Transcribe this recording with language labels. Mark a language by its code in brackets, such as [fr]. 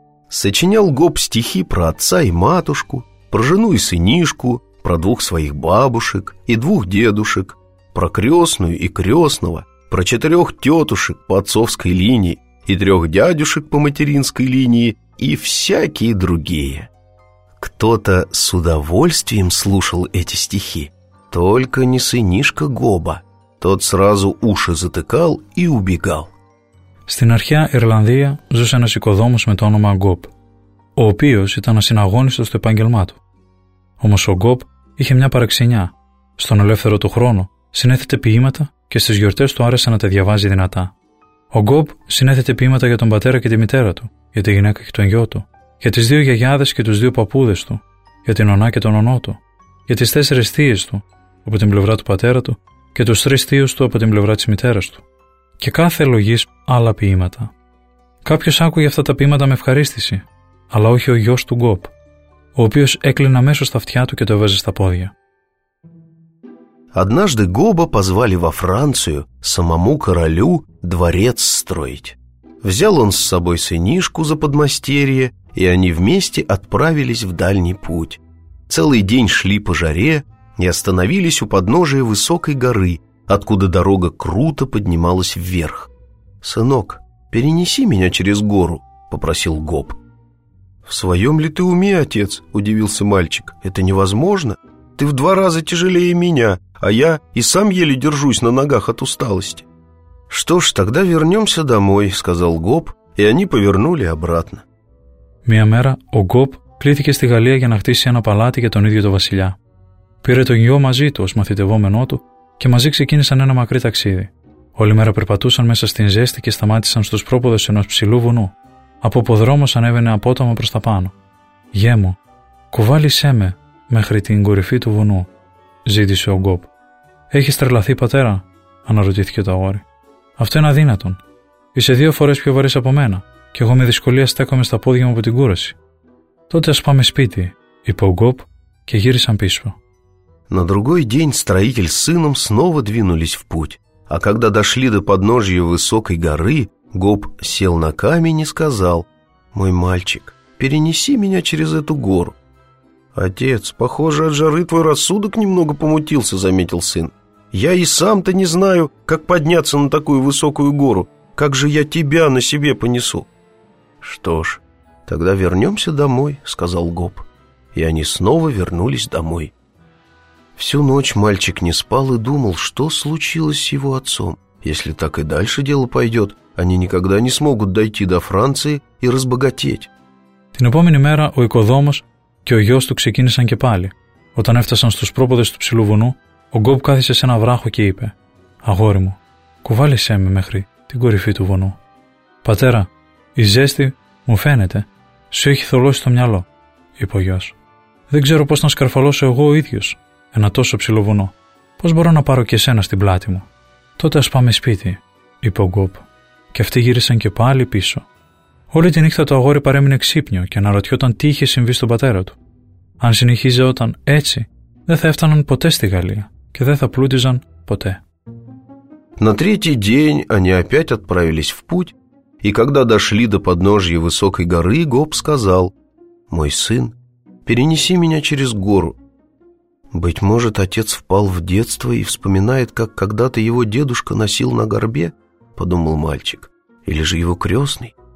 [ru] Сочинял Гоб стихи про отца и матушку, про жену и сынишку, про двух своих бабушек и двух дедушек, про крестную и крестного, про четырех тетушек по отцовской линии и трех дядюшек по материнской линии и всякие другие. Кто-то с удовольствием слушал эти стихи, только не сынишка Гоба. Тот сразу уши затыкал и убегал. [el] Στην αρχαία Ιρλανδία ζούσε ένας οικοδόμος με το όνομα Γκόπ, ο οποίος ήταν ασυναγώνιστος στο επάγγελμά του. Όμως ο Γκόπ είχε μια παραξενιά. Στον ελεύθερο του χρόνο συνέθετε ποίηματα και στις γιορτές του άρεσε να τα διαβάζει δυνατά. Ο Γκόπ συνέθετε ποίηματα για τον πατέρα και τη μητέρα του, για τη γυναίκα και τον γιο του, για τις δύο γιαγιάδες και τους δύο παππούδες του, για την ονά και τον ονό του, για τις τέσσερις θείες του από την πλευρά του πατέρα του και τους τρεις θείους του από την πλευρά της μητέρας του. Και κάθε λογής άλλα ποίηματα. Κάποιος άκουγε αυτά τα ποίηματα με ευχαρίστηση, αλλά όχι ο γιος του Γκόπ, ο οποίος έκλεινε αμέσως τα αυτιά του και το έβαζε στα πόδια. [ru] Однажды Гоба позвали во Францию самому королю дворец строить. Взял он с собой сынишку за подмастерье, и они вместе отправились в дальний путь. Целый день шли по жаре и остановились у подножия высокой горы, откуда дорога круто поднималась вверх. «Сынок, перенеси меня через гору», — попросил Гоб. «В своем ли ты уме, отец?» — удивился мальчик. «Это невозможно. Ты в два раза тяжелее меня, а я и сам еле держусь на ногах от усталости». «Что ж, тогда вернемся домой», — сказал Гоб, и они повернули обратно. [el] Мия мера о Гоб клитике сти Галлия για να хтиси ένα палати για τον ίδιο το βασιλιά. Пире τον γιο μαζί του ως μαθητευόμενό του και μαζί ξεκίνησαν ένα μακρύ ταξίδι. Όλη μέρα περπατούσαν μέσα στην ζέστη και σταμάτησαν στους πρόποδες ενός ψηλού βουνού. Από ποδρόμος ανέβαινε απότομα προς τα πάνω. «Γέ μου, κουβάλισέ με μέχρι την κορυφή του βουνού», ζήτησε ο Γκόπ. «Έχεις τρελαθεί, πατέρα?» αναρωτήθηκε το αγόρι. «Αυτό είναι αδύνατον. Είσαι δύο φορές πιο βαρύς από μένα, και εγώ με δυσκολία στέκομαι στα πόδια μου από την κούραση». «Τότε ας πάμε σπίτι», είπε ο Γκόπ και γύρισαν πίσω. [ru] На другой день строитель с сыном снова двинулись в путь. А когда дошли до подножья высокой горы, Гоб сел на камень и сказал: «Мой мальчик, перенеси меня через эту гору». «Отец, похоже, от жары твой рассудок немного помутился», — заметил сын. «Я и сам-то не знаю, как подняться на такую высокую гору. Как же я тебя на себе понесу?» «Что ж, тогда вернемся домой», — сказал Гоб. И они снова вернулись домой. Всю ночь мальчик не спал и думал, что случилось с его отцом. Если так и дальше дело пойдет, они никогда не смогут дойти до Франции и разбогатеть. [el] Την επόμενη μέρα ο οικοδόμος και ο γιος του ξεκίνησαν και πάλι. Όταν έφτασαν στους πρόποδες του ψηλού βουνού, ο Γκόπ κάθισε σε ένα βράχο και είπε: «Αγόρι μου, κουβάλισέ με μέχρι την κορυφή του βουνού. Πατέρα, η ζέστη, μου φαίνεται, σου έχει θολώσει το μυαλό», είπε ο γιος. «Δεν ξέρω πώς να σκαρφαλώσω εγώ ο ίδιος ένα τόσο ψηλό βουνό. Πώς μπορώ να πάρω και εσένα στην πλάτη μου?» «Τότε ας πάμε σπίτι», είπε ο Γκόπ. Και αυτοί γύρισαν και πάλι πίσω. Όλη τη νύχτα το αγόρι παρέμεινε ξύπνιο και αναρωτιόταν τι είχε συμβεί στον πατέρα του. Αν συνεχίζονταν έτσι, δεν θα έφταναν ποτέ στη Γαλλία και δεν θα πλούτιζαν ποτέ. [ru] На третий день они опять отправились в путь, и когда дошли до подножья высокой горы, Гоб сказал: «Мой сын, перенеси меня через гору». Быть может, отец впал в детство и вспоминает, как когда-то его дедушка носил на горбе, подумал мальчик, или же его крестный.